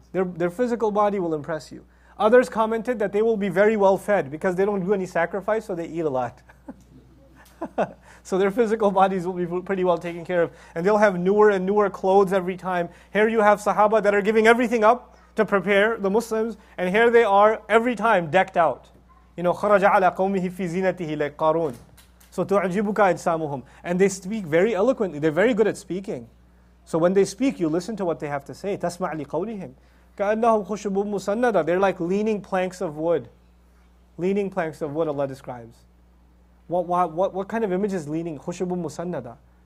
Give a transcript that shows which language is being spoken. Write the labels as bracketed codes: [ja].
[en] Their physical body will impress you. Others commented that they will be very well fed because they don't do any sacrifice, so they eat a lot. So their physical bodies will be pretty well taken care of. And they'll have newer and newer clothes every time. Here you have Sahaba that are giving everything up to prepare the Muslims. And here they are every time decked out. You know, [ar] خَرَجَ عَلَىٰ قَوْمِهِ فِي زِينَتِهِ لَيْ قَارُونَ. So تُعْجِبُكَ أَجْسَامُهُمْ. [en] And they speak very eloquently. They're very good at speaking. So when they speak, you listen to what they have to say. [ar] تَسْمَعْ لِقَوْلِهِمْ. كَأَنَّهُمْ خُشُبٌ مُسَنَّدًا. [en] They're like leaning planks of wood. Leaning planks of wood, Allah describes. What kind of image is leaning? [ar] خُشُبٌ مُسَنَّدًا.